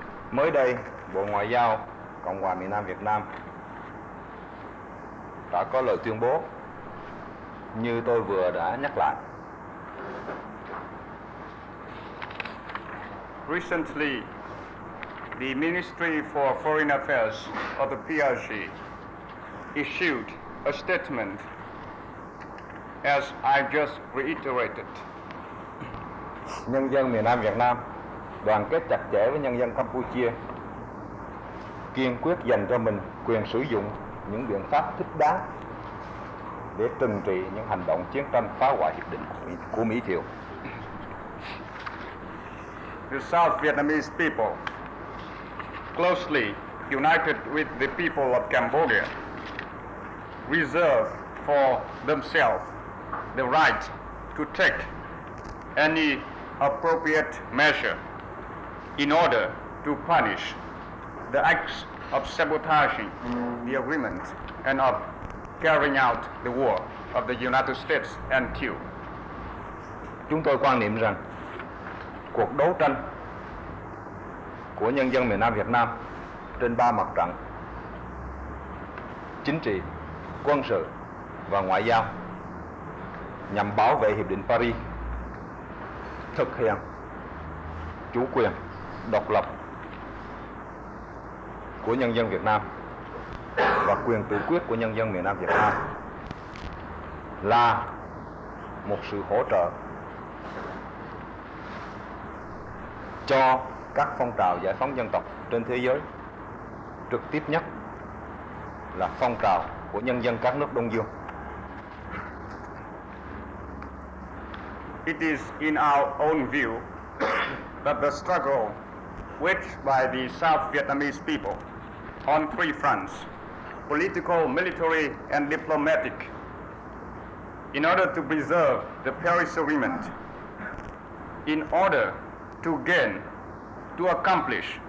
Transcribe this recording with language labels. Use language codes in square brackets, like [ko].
[vi] Mới đây, Bộ Ngoại giao Cộng hòa miền Nam Việt Nam đã có lời tuyên bố như tôi vừa đã nhắc lại. [en] Recently, the Ministry for Foreign Affairs of the PRC issued a statement, as I just reiterated. [vi] Nhân dân miền Nam Việt Nam đoàn kết chặt chẽ với nhân dân Campuchia, kiên quyết dành cho mình quyền sử dụng những biện pháp thích đáng để trừng trị những hành động chiến tranh phá hoại hiệp định của Mỹ Thiệu. [en] The South Vietnamese people, closely united with the people of Cambodia, reserve for themselves the right to take any appropriate measure in order to punish the acts of sabotaging the agreement and of carrying out the war of the United States and Cuba. [vi] Chúng tôi quan niệm rằng cuộc đấu tranh của nhân dân miền Nam Việt Nam trên ba mặt trận chính trị, quân sự và ngoại giao nhằm bảo vệ Hiệp định Paris, thực hiện chủ quyền độc lập của nhân dân Việt Nam và quyền tự quyết của nhân dân miền Nam Việt Nam là một sự hỗ trợ cho các phong trào giải phóng dân tộc trên thế giới, trực tiếp nhất là phong trào của nhân dân các nước Đông Dương. [en] It is in our own view that the struggle waged by the South Vietnamese people on three fronts, political, military, and diplomatic, in order to preserve the Paris Agreement, in order to gain, to accomplish